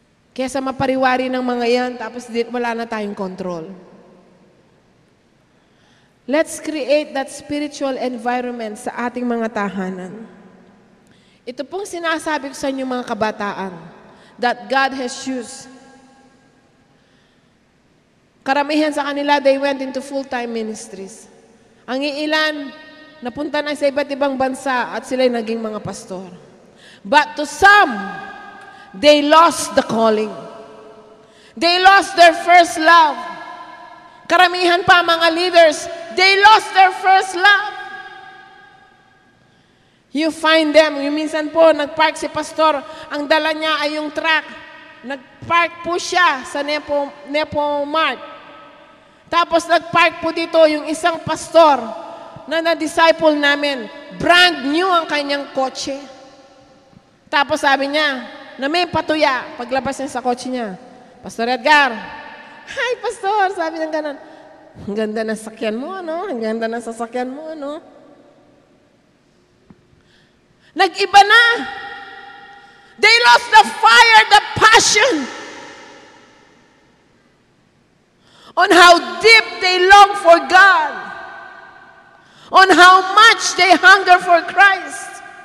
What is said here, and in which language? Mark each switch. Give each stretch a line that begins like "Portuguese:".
Filipino: Kesa mapariwari ng mga yan, tapos wala na tayong control.
English: Let's create that spiritual environment
Filipino: sa ating mga tahanan. Ito pong sinasabi ko sa inyo mga kabataan
English: that God has used.
Filipino: Karamihan sa kanila,
English: they went into full-time ministries.
Filipino: Ang ilan, napunta na sa iba't ibang bansa at sila'y naging mga pastor.
English: But to some, they lost the calling. They lost their first love.
Filipino: Karamihan pa mga
English: leaders, they lost their first love. You find them,
Filipino: yung minsan po, nag-park si pastor, ang dala niya ay yung truck. Nag-park po siya sa Nepo Mart. Tapos nag-park po dito yung isang pastor na na-disciple namin. Brand new ang kanyang kotse. Tapos sabi niya, na may patuya paglabas niya sa kotse niya. Pastor Edgar, hi pastor, sabi niya ganun. Ang ganda ng sasakyan mo, no? Ang ganda ng sasakyan mo, no? Nag-iba na.
English: They lost the fire, the passion on how deep they long for God, on how much they hunger for Christ.